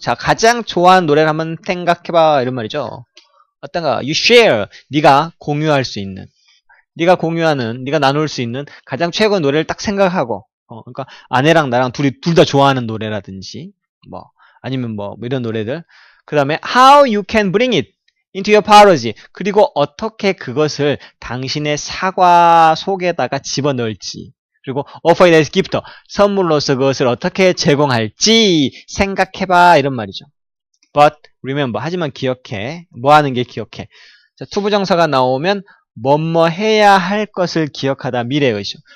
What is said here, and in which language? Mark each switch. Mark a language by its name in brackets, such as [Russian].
[Korean] 자, 가장 좋아하는 노래를 한번 생각해봐. 이런 말이죠. 어떤가? [English] You share. [Korean] 네가 공유할 수 있는. 네가 공유하는, 네가 나눌 수 있는 가장 최고의 노래를 딱 생각하고. 그러니까 아내랑 나랑 둘이 둘다 좋아하는 노래라든지 뭐 아니면 뭐 이런 노래들. [English] 그다음에 how you can bring it into your policy. [Korean] 그리고 어떻게 그것을 당신의 사과 속에다가 집어넣을지. [English] 그리고 offer it as gift. [Korean] 선물로서 그것을 어떻게 제공할지 생각해봐. 이런 말이죠. [English] But remember. [Korean] 하지만 기억해. 뭐 하는 게 기억해. 자, 투부정사가 나오면 뭐뭐 해야 할 것을 기억하다. 미래 의식.